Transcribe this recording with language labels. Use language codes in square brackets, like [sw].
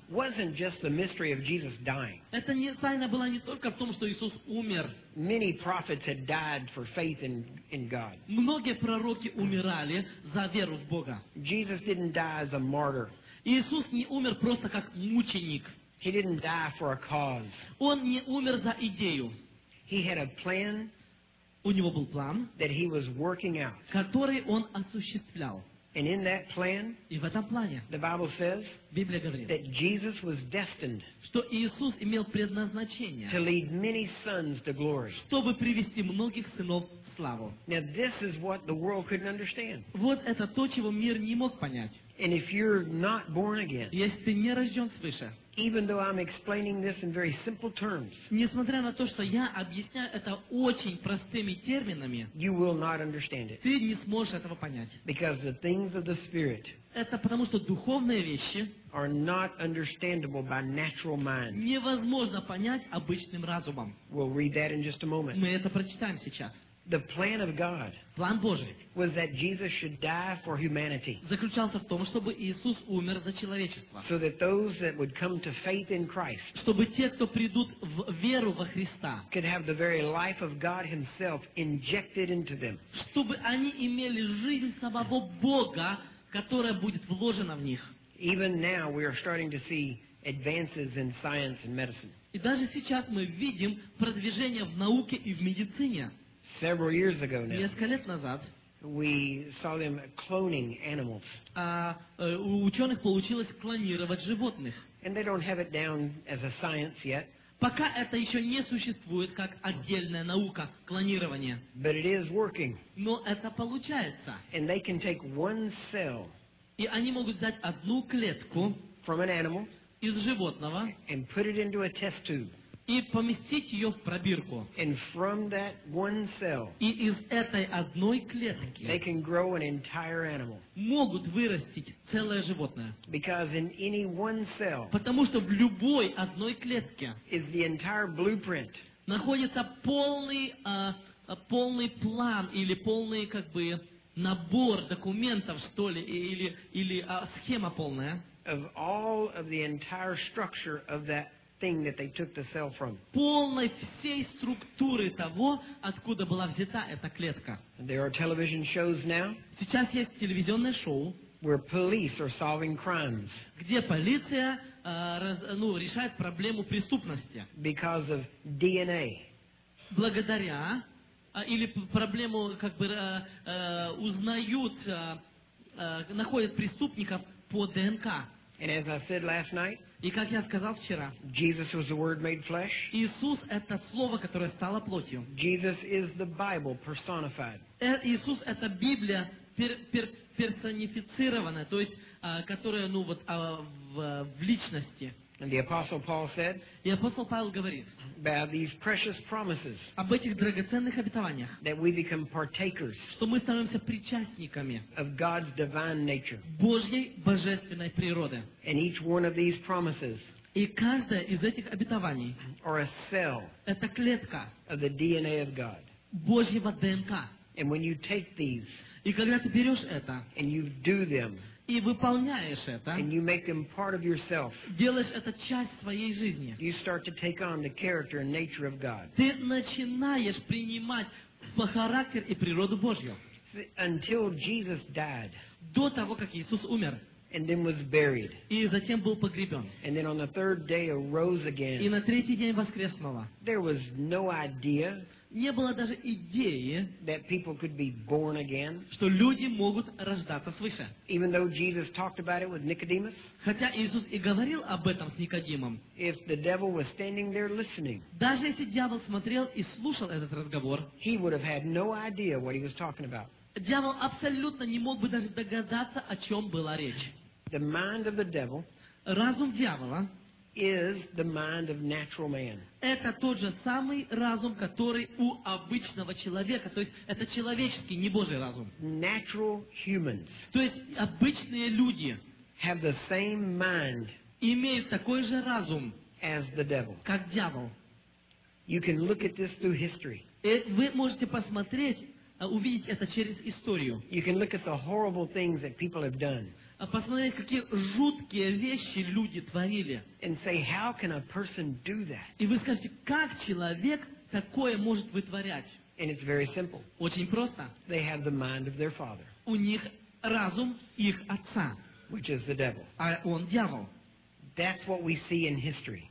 [en] Wasn't just the mystery of Jesus dying. [ru] Это не тайна была не только в том, что Иисус умер. [en] Many prophets had died for faith in God. [ru] Многие пророки умирали за веру в Бога. [en] Jesus didn't die as a martyr. [ru] Иисус не умер просто как мученик. [en] He didn't die for a cause. [ru] Он не умер за идею. [en] He had a plan. [ru] У него был план. [en] That he was working out. [ru] Который он осуществлял. [en] And in that plan, [ru] и в этом плане, [en] the Bible says, [ru] Библия говорит, [en] that Jesus was destined, [ru] что Иисус имел предназначение, [en] to lead many sons to glory, [ru] чтобы привести многих сынов в славу. [en] Now this is what the world couldn't understand. [ru] Вот это то, чего мир не мог понять. [en] And if you're not born again, [ru] если ты не рожден свыше, [en] even though I'm explaining this in very simple terms, [ru] несмотря на то, что я объясняю это очень простыми терминами, [en] you will not understand it. [ru] Ты не сможешь этого понять. [en] Because the things of the spirit, [ru] это потому что духовные вещи, [en] are not understandable by natural mind. [ru] Невозможно понять обычным разумом. [en] We'll read that in just a moment. [ru] Мы это прочитаем сейчас. [en] The plan of God, [ru] план Божий, [en] was that Jesus should die for humanity, [ru] заключался в том, чтобы Иисус умер за человечество, [en] so that those that would come to faith in Christ, [ru] чтобы те, кто придут в веру во Христа, [en] could have the very life of God Himself injected into them, [ru] чтобы они имели жизнь самого Бога, которая будет вложена в них. [en] Even now we are starting to see advances in science and medicine. [ru] И даже сейчас мы видим продвижение в науке и в медицине. [en] Several years ago now, [ru] несколько лет назад, [en] we saw them cloning animals. [ru] У ученых получилось клонировать животных. [en] And they don't have it down as a science yet. [ru] Пока это еще не существует как отдельная наука, клонирование. [en] But it is working. [ru] Но это получается. [en] And they can take one cell, [ru] и они могут взять одну клетку [en] from an animal, [ru] из животного, [en] and put it into a test tube. [ru] И поместить ее в пробирку. [en] And from that one cell, [ru] и из этой одной клетки [en] they can grow an entire animal. [ru] Могут вырастить целое животное. [en] Because in any one cell, [ru] потому что в любой одной клетке [en] is the entire blueprint. [ru] Находится полный, полный план или полный как бы набор документов, что ли, или схема полная. [en] Of all of the entire structure of that thing that they took the cell from. [ru] Полной всей структуры того, откуда была взята эта клетка. [en] There are television shows now. [ru] Сейчас есть телевизионное шоу. [en] Where police are solving crimes. [ru] Где полиция решает проблему преступности. [en] Because of DNA. [ru] Благодаря или проблему как бы узнают находят преступников по ДНК. [en] And as I said last night, [ru] и как я сказал вчера, [en] Jesus was the Word made flesh. [ru] Иисус — это Слово, которое стало плотью. [en] Jesus is the Bible personified. [ru] Иисус — это Библия персонифицированная, то есть, которая, ну вот, в личности. [en] And the Apostle Paul said, [ru] и апостол Павел говорит, [en] about these precious promises, [ru] об этих драгоценных обетованиях, [en] that we become partakers, [ru] что мы становимся причастниками, [en] of God's divine nature, [ru] Божьей божественной природы. [en] And each one of these promises, [ru] и каждая из этих обетований, [en] are a cell, [ru] это клетка, [en] of the DNA of God, [ru] Божьего ДНК. [en] And when you take these, [ru] и когда ты берешь это, [en] and you do them, [ru] и выполняешь это, [en] and you make them part of yourself, [ru] делаешь это часть своей жизни, [en] you start to take on the character and nature of God. [ru] Ты начинаешь принимать по характер и природу Божью. [en] See, until Jesus died, [ru] до того, как Иисус умер, [en] and then was buried, [ru] и затем был погребен, [en] and then on the third day arose again, [ru] и на третий день воскреснуло, [en] there was no idea, [ru] не было даже идеи, [en] that people could be born again, [ru] что люди могут рождаться свыше. [en] Even though Jesus talked about it with Nicodemus, [ru] хотя Иисус и говорил об этом с Никодимом, [en] if the devil was standing there listening, [ru] даже если дьявол смотрел и слушал этот разговор, [en] he would have had no idea what he was talking about. [ru] Дьявол абсолютно не мог бы даже догадаться, о чем была речь. [en] The mind of the devil, [ru] разум дьявола, [en] is the mind of natural man. [ru] Это тот же самый разум, который у обычного человека, то есть это человеческий, не Божий разум. [en] Natural humans, [ru] то есть обычные люди, [en] have the same mind, [ru] имеют такой же разум, [en] as the devil, [ru] как дьявол. [en] You can look at this through history. [ru] Вы можете посмотреть, увидеть это через историю. [en] You can look at the horrible things that people have done. [ru] Посмотреть, какие жуткие вещи люди творили. [en] And say, how can a person do that? [ru] И вы скажете, как человек такое может вытворять? [en] And it's very simple. [ru] Очень просто. [en] They have the mind of their father, [ru] у них разум их отца, [en] which is the devil. [ru] А он дьявол. [en] That's what we see in history.